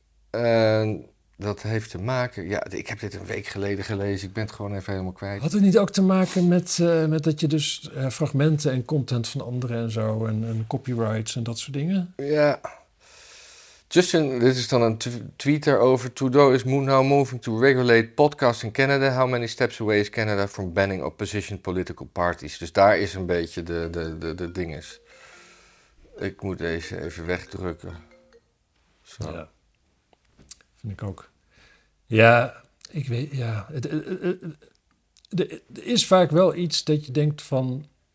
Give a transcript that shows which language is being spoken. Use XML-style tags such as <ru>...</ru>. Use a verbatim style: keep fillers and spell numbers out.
<nl>Uh, dat heeft te maken... Ja, ik heb dit een week geleden gelezen. Ik ben het gewoon even helemaal kwijt. Had het niet ook te maken met, uh, met dat je dus uh, fragmenten en content van anderen en zo... En, en copyrights en dat soort dingen? Ja. Justin, dit is dan een t- tweet daarover.</nl> <en>Trudeau is now moving to regulate podcasts in Canada. How many steps away is Canada from banning opposition political parties?</en> <nl>Dus daar is een beetje de, de, de, de dinges. Ik moet deze even wegdrukken. Zo. Ja, vind ik ook. Ja, ik weet, ja. Er is vaak wel iets dat je denkt van...</nl>